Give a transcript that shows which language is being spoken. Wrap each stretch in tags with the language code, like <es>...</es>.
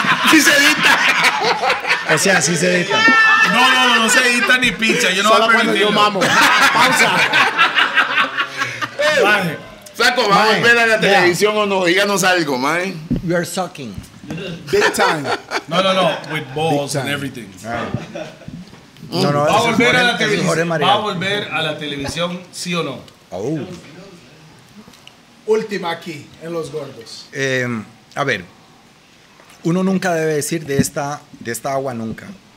<es>Si se edita. O sea, si se edita. No se edita ni pincha. Yo no voy a permitirlo. Pausa. Mae, saco, vamos a ver a la televisión o no, díganos algo, mae.</es> <en>We are sucking. Big time. No, with balls and everything. Right.</en> <es>No, va a volver a la televisión. Va a volver a la televisión, sí o no. Oh. Última aquí, en Los Gordos. A ver, uno nunca debe decir de esta agua nunca.</es>